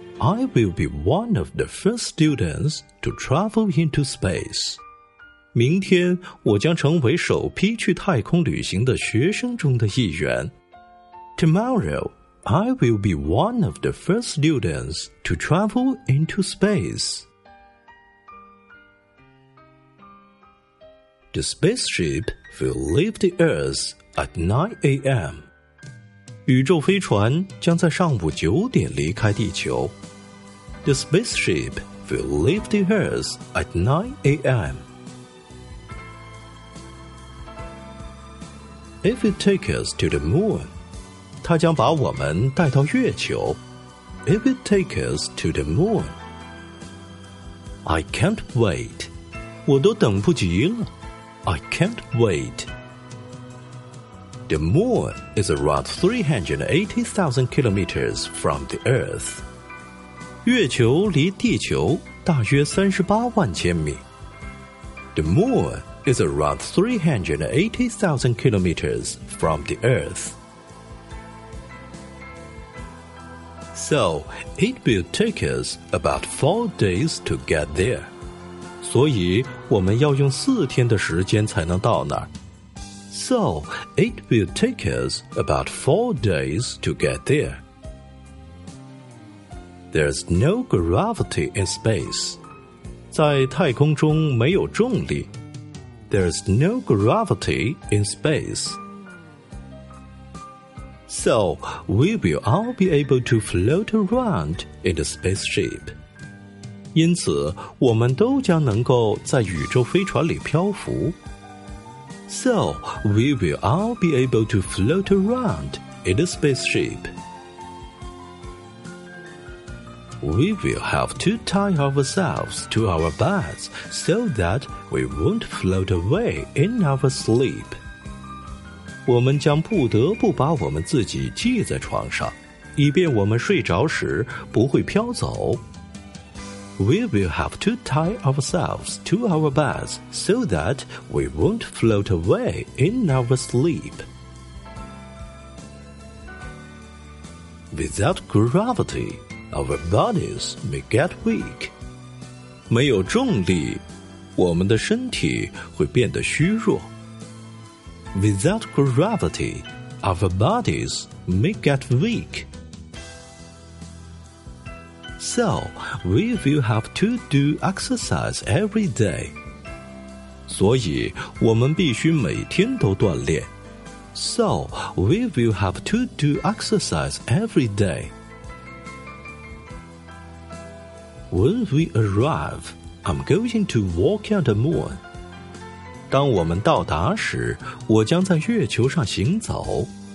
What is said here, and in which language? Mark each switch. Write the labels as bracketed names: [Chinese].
[English] I will be one of the first students to travel into space. [Chinese] 明天我将成为首批去太空旅行的学生中的一员。 [English] Tomorrow, I will be one of the first students to travel into space. The spaceship will leave the Earth at 9 a.m. [Chinese] 宇宙飞船将在上午九点离开地球。 [English] The spaceship will leave the Earth at 9 a.m. If it takes us to the moon, [Chinese] 它将把我们带到月球。 [English] If it takes us to the moon, I can't wait. [Chinese] 我都等不及了。 [English] I can't wait. The moon is around 380,000 kilometers from the Earth. [Chinese] 月球离地球大约38万千米。 [English] The moon is around 380,000 kilometers from the Earth. So, it will take us about 4 days to get there. [Chinese] 所以我们要用四天的时间才能到那儿。 [English] So, it will take us about 4 days to get there. There's no gravity in space. [Chinese] 在太空中没有重力。 [English] There's no gravity in space. So, we will all be able to float around in the spaceship. [Chinese] 因此，我们都将能够在宇宙飞船里漂浮。 [English] So, we will all be able to float around in the spaceship. We will have to tie ourselves to our beds so that we won't float away in our sleep. [Chinese] 我们将不得不把我们自己系在床上，以便我们睡着时不会飘走。 [English] We will have to tie ourselves to our beds so that we won't float away in our sleep. Without gravity, our bodies may get weak. [Chinese] 没有重力，我们的身体会变得虚弱。 [English] Without gravity, our bodies may get weak. So, we will have to do exercise every day. [Chinese] 所以我们必须每天都锻炼。 [English] So, we will have to do exercise every day. When we arrive, I'm going to walk on the moon. [Chinese] 当我们到达时，我将在月球上行走。